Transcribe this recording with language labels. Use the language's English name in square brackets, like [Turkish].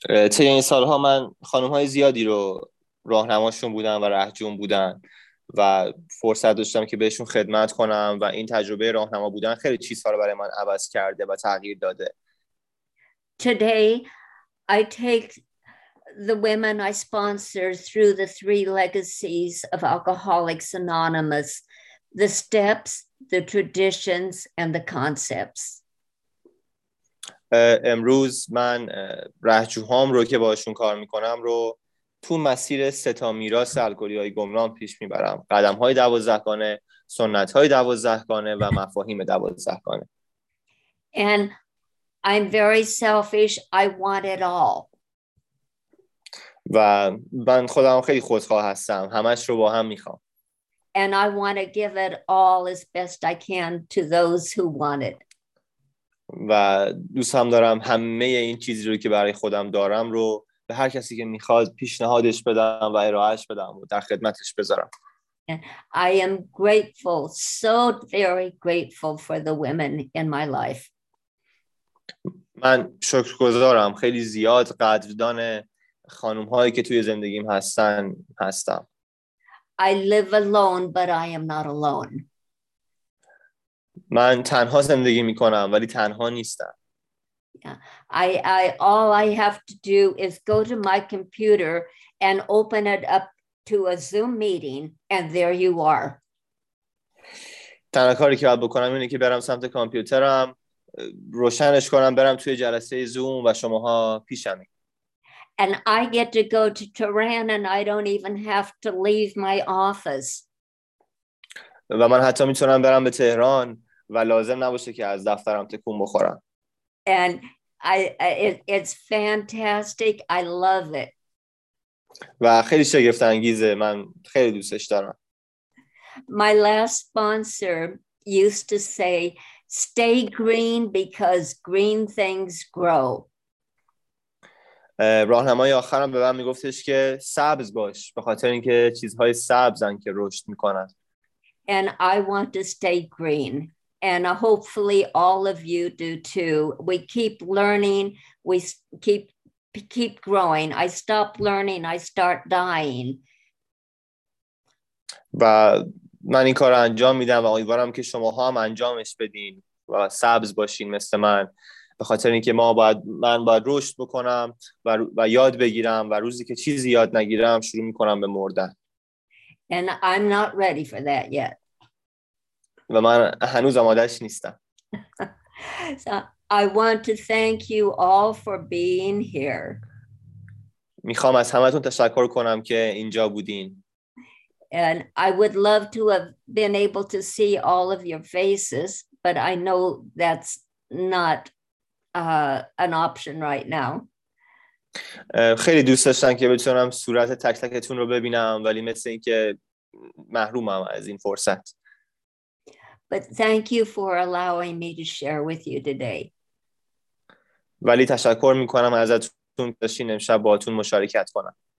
[Persian] طی این سال‌ها من خانم‌های زیادی رو راهنماشون بودم و رهجون بودم و فرصت داشتم که بهشون خدمت کنم و این تجربه راهنما بودن خیلی چیزها رو برای من عوض کرده و تغییر داده. [English] Today, I take the women I sponsor through the three legacies of Alcoholics Anonymous, the steps, the traditions, and the concepts. [Persian] امروز من رهجوهام رو که باشون کار میکنم رو تو مسیر سه تا میراث الکلی های گمنام پیش میبرم. قدم های دوازده گانه، سنت های دوازده گانه و مفاهیم دوازده گانه. [English] And I'm very selfish. I want it all. [Persian] و من خودم خیلی خودخواه هستم، همش رو با هم میخوام. [English] And I want to give it all as best I can to those who want it. [Persian] و دوستم دارم همه این چیزی رو که برای خودم دارم رو به هر کسی که میخواد پیشنهادش بدم و ارائهش بدم و در خدمتش بذارم. [English] I am grateful, so very grateful for the women in my life. [Persian] من شکرگزارم، خیلی زیاد قدردان خانم هایی که توی زندگیم هستن هستم. [English] I live alone, but I am not alone. [Persian] من تنها زندگی میکنم ولی تنها نیستم. [English] I all I have to do is go to my computer and open it up to a Zoom meeting and there you are. [Persian] تنها کاری که باید بکنم اینه که برم سمت کامپیوترم روشنش کنم برم توی جلسه زوم و شماها پیشمی. [English] And I get to go to Tehran and I don't even have to leave my office. [Persian] و من حتی میتونم برم به تهران و لازم نباشه که از دفترم تکون بخورم. [English] And it's fantastic. I love it. [Persian] و خیلی شگفت انگیزه. من خیلی دوستش دارم. [English] My last sponsor used to say, "Stay green because green things grow." [Persian] راهنمای آخرم به من میگفتش که سبز باش به خاطر اینکه چیزهای سبزن که رشد میکنن. [English] And I want to stay green. And hopefully all of you do too. We keep learning. We keep growing. I stop learning. I start dying. [Persian] و من این کار رو انجام میدم و امیدوارم که شما هم انجامش بدین و سبز باشین مثل من. به خاطر اینکه من باید رشد بکنم و یاد بگیرم و روزی که چیزی یاد نگیرم شروع میکنم به مردن. [English] And I'm not ready for that yet. [Persian] و من هنوز آمادهش نیستم. [English] So I want to thank you all for being here. [Persian] میخوام از همتون تشکر کنم که اینجا بودین. [English] And I would love to have been able to see all of your faces, but I know that's not an option right now. [Persian] خیلی دوست داشتم که بتونم صورت تک تکتون رو ببینم ولی مثل اینکه محرومم از این فرصت. [English] But thank you for allowing me to share with you today. [Persian] ولی تشکر می کنم ازتون داشتین امشب باهاتون مشارکت کنم.